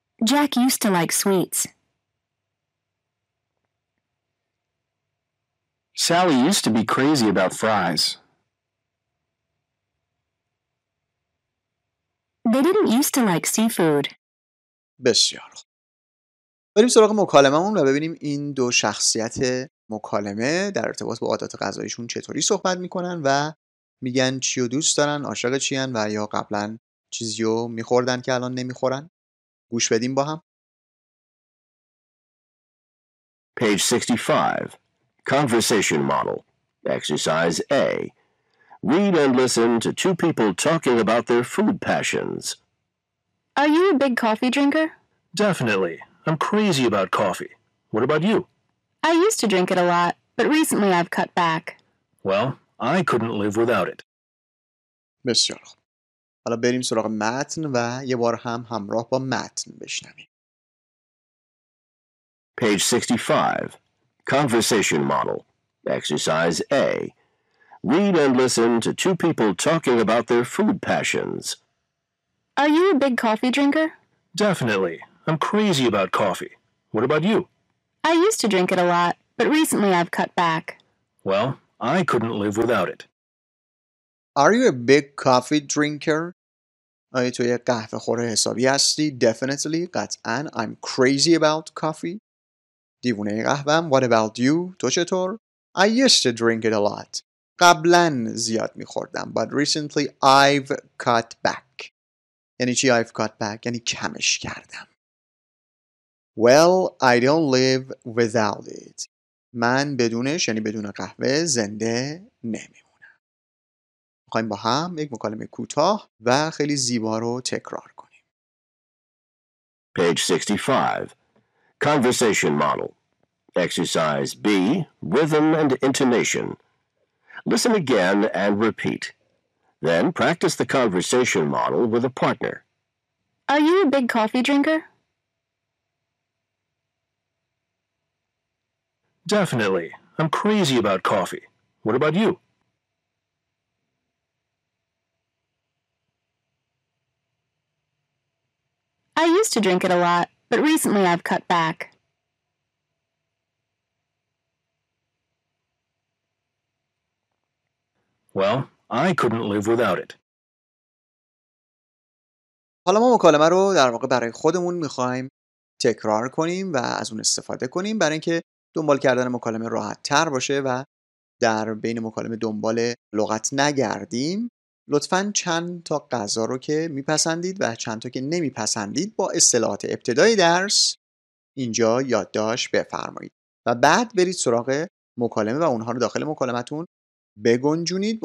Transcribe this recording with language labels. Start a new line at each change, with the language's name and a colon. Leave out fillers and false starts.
English: Jack used to like sweets. Sally used to be crazy about fries. They didn't used to like seafood.
Persian: بسیار خوب. بریم سراغ مکالمه‌مون و ببینیم این دو شخصیت مکالمه در ارتباط با عادات غذایشون چطوری صحبت میکنن و میگن چی رو دوست دارن، عاشق چیان و یا قبلا چیزی رو میخوردن که الان نمیخورن. گوش بدیم با هم.
English: Page 65. Conversation model. Exercise A. Read and listen to two people talking about their food passions. Are you a big coffee drinker? Definitely. I'm crazy about coffee. What about you? I used to drink it a lot, but recently I've cut back. Well, I couldn't live without it.
Persian: بسیار خوب. حالا بریم سراغ متن و یه بار هم همراه با متن بشنویم.
English: Page 65. Conversation model. Exercise A. Read and listen to two people talking about their food passions. Are you a big coffee drinker? Definitely. I'm crazy about coffee. What about you? I used to drink it a lot, but recently I've cut back. Well, I couldn't live without it. Are you a big coffee drinker?
Persian: آیا تو یک قهوه خور حسابی هستی؟
English: Definitely,
Persian: قطعاً.
English: I'm crazy about coffee.
Persian: دیوونه قهوه‌ام.
English: What about you?
Persian: تو چطور؟
English: I used to drink it a lot.
Persian: قبلاً زیاد می‌خوردم.
English: But recently I've cut back.
Persian: یعنی چی
English: I've cut back؟
Persian: یعنی کمش کردم.
English: Well, I don't live without it.
Persian: من بدونش یعنی بدون قهوه زنده نمیمونم. میخواییم با هم یک مکالمه کوتاه و خیلی زیبا رو تکرار کنیم.
English: Page 65. Conversation model. Exercise B. Rhythm and intonation. Listen again and repeat. Then practice the conversation model with a partner. Are you a big coffee drinker? Definitely. I'm crazy about coffee. What about you? I used to drink it a lot, but recently I've cut back. Well, I couldn't live without it.
Persian: حالا ما مکالمه رو در واقع برای خودمون می‌خوایم تکرار کنیم و از اون استفاده کنیم برای اینکه دنبال کردن مکالمه راحت تر باشه و در بین مکالمه دنبال لغت نگردیم. لطفاً چند تا غذا رو که میپسندید و چند تا که نمیپسندید با اصطلاحات ابتدای درس اینجا یادداشت بفرمایید و بعد برید سراغ مکالمه و اونها رو داخل مکالمتون بگنجونید.